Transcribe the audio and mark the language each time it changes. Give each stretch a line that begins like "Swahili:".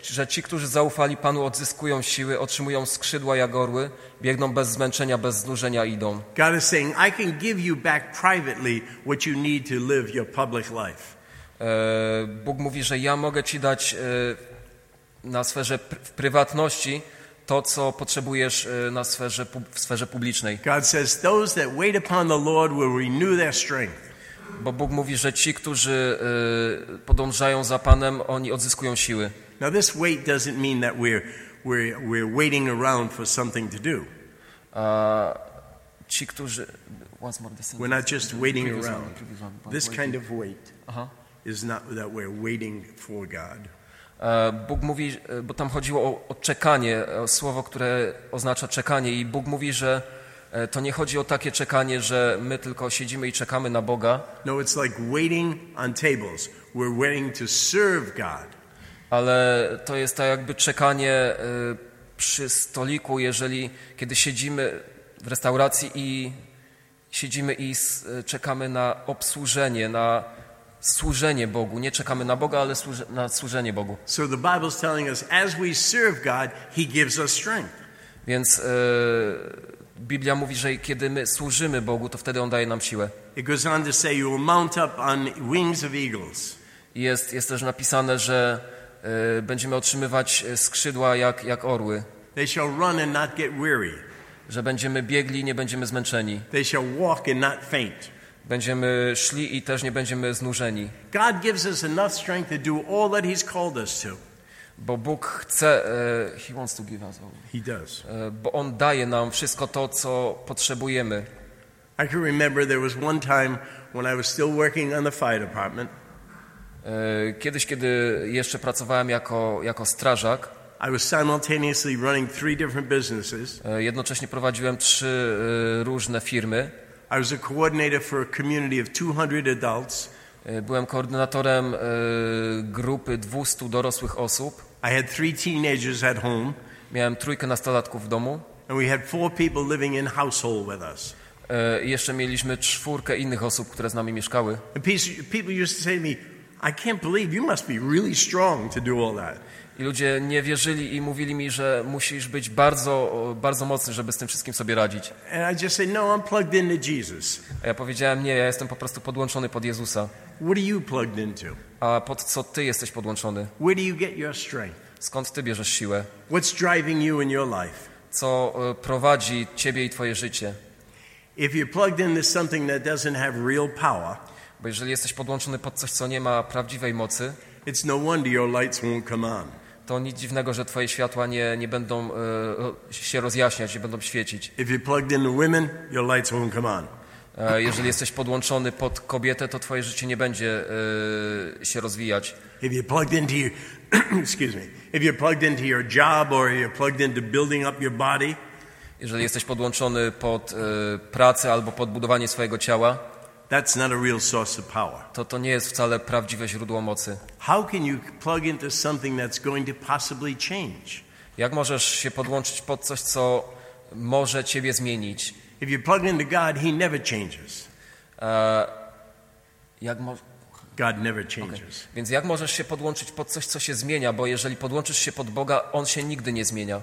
Polish: Ci, którzy zaufali Panu, odzyskują siły, otrzymują skrzydła jak orły, biegną bez zmęczenia, bez znużenia idą.
English: God is saying, I can give you back privately what you need to live your public life.
Polish: Bóg mówi, że ja mogę ci dać na sferze w prywatności to, co potrzebujesz w sferze publicznej.
English: God says, those that wait upon the Lord will renew their strength.
Polish: Bo Bóg mówi, że ci, którzy podążają za Panem, oni odzyskują siły.
English: Now this wait doesn't mean that we're waiting around for something to do.
Polish: Ci, którzy...
English: Once more, we're not just waiting around. This kind of wait is not that we're waiting for God.
Polish: Bóg mówi, bo tam chodziło o czekanie, o słowo, które oznacza czekanie, i Bóg mówi, że to nie chodzi o takie czekanie, że my tylko siedzimy i czekamy na Boga.
English: No, it's like waiting on tables. We're waiting to serve God.
Polish: Ale to jest tak jakby czekanie przy stoliku, jeżeli kiedy siedzimy w restauracji i siedzimy i czekamy na obsłużenie, na służenie Bogu. Nie czekamy na Boga, ale na służenie Bogu.
English: So the Bible's telling us, as we serve God, he gives us strength.
Polish: Więc Biblia mówi, że kiedy my służymy Bogu, to wtedy on daje nam siłę.
English: It goes on to say you will mount up on wings of eagles.
Polish: Jest też napisane, że będziemy otrzymywać skrzydła jak orły.
English: They shall run and not get weary.
Polish: Że będziemy biegli i nie będziemy zmęczeni.
English: They shall walk and not faint.
Polish: Będziemy szli i też nie będziemy znużeni.
English: God gives us enough strength to do all that he's called us to.
Polish: Bo Bóg chce,
English: he wants to give us all. He does.
Polish: Bo on daje nam wszystko to, co potrzebujemy.
English: I can remember there was one time when I was still working on the fire department.
Polish: Kiedy jeszcze pracowałem jako strażak.
English: I was simultaneously running three different businesses.
Polish: Jednocześnie prowadziłem trzy różne firmy.
English: I was a coordinator for a community of 200 adults.
Polish: Byłem koordynatorem grupy 200 dorosłych osób.
English: I had three teenagers at home.
Polish: Miałem trójkę nastolatków w domu.
English: And we had four people living in household with us.
Polish: Jeszcze mieliśmy czwórkę innych osób, które z nami mieszkały.
English: People used to say to me, I can't believe you must be really strong to do all that.
Polish: I ludzie nie wierzyli i mówili mi, że musisz być bardzo, bardzo mocny, żeby z tym wszystkim sobie radzić.
English: And I just said, no, I'm plugged into Jesus.
Polish: A ja powiedziałem, nie, ja jestem po prostu podłączony pod Jezusa.
English: What are you plugged into?
Polish: A pod co ty jesteś podłączony?
English: Where do you get your strength?
Polish: Skąd ty bierzesz siłę?
English: What's driving you in your life?
Polish: Co prowadzi ciebie i twoje życie?
English: If you're plugged into something that doesn't have real power,
Polish: bo jeżeli jesteś podłączony pod coś, co nie ma prawdziwej mocy,
English: it's no wonder your lights won't come on.
Polish: To nic dziwnego, że twoje światła nie będą się rozjaśniać, nie będą świecić.
English: If you're plugged into women, your lights won't come on.
Polish: Jeżeli jesteś podłączony pod kobietę, to twoje życie nie będzie się rozwijać.
English: If you're plugged into your, excuse me, if you're plugged into your job or you're plugged into building up your body.
Polish: Jeżeli jesteś podłączony pod pracę albo pod budowanie swojego ciała.
English: That's not a real source of power.
Polish: To nie jest wcale prawdziwe źródło mocy.
English: How can you plug into something that's going to possibly change?
Polish: Jak możesz się podłączyć pod coś, co może ciebie zmienić?
English: If you plug into God, he never changes. God never changes. Okay.
Polish: Więc jak możesz się podłączyć pod coś, co się zmienia, bo jeżeli podłączysz się pod Boga, on się nigdy nie zmienia.